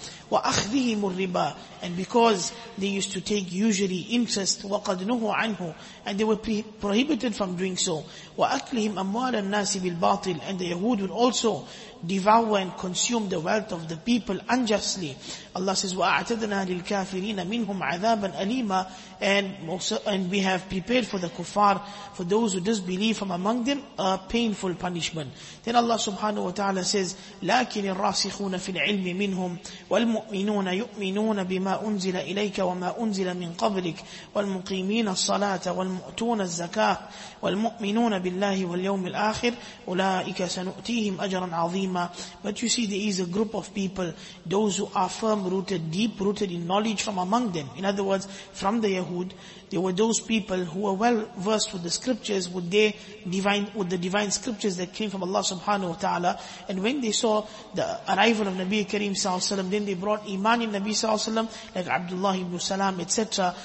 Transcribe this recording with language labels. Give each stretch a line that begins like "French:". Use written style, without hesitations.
Arabic: وَأَخْذِهِمُ الرِّبَى.
English: And because they used to take usury, interest,
Arabic: وَقَدْ نُهُوا عَنْهُ.
English: And they were prohibited from doing so.
Arabic: وَأَكْلِهِمْ أَمْوَالَ النَّاسِ بِالْبَاطِلِ.
English: And the Yahud would also devour and consume the wealth of the people unjustly. Allah says,
Arabic: وَأَعْتَدْنَا لِلْكَافِرِينَ مِنْهُمْ عَذَابًا أَلِيمًا.
English: And we have prepared for the kuffar, for those who disbelieve from among them, a painful punishment. Then Allah subhanahu wa ta'ala says,
Arabic: لَكِنِ الرَّاسِخُونَ فِي الْعِلْمِ مِنْهُمْ وَالْمُؤْمِنُونَ يُؤْمِنُونَ بِمَا أُنزِلَ إِلَيْكَ وَمَا أُنزِلَ مِنْ قَبْلِكَ وَالْمُقِيمِينَ الصَّلَاةَ وَالْمُؤْتُونَ الزَّكَاةَ وَالْمُؤْمِنُونَ بِاللَّهِ وَالْيَوْمِ الْآخِرِ أُولَٰئِكَ سَنُؤْتِيهِمْ أَجْرًا عَظِيمًا.
English: But you see, there is a group of people, those who are firm rooted, deep rooted in knowledge from among them. In other words, from the Yahud, there were those people who were well versed with the scriptures, with the divine scriptures that came from Allah subhanahu wa ta'ala. And when they saw the arrival of Nabi Kareem sallallahu alaihi wasallam, then they brought iman in Nabi sallallahu alaihi wasallam, like Abdullah ibn Salam, etc.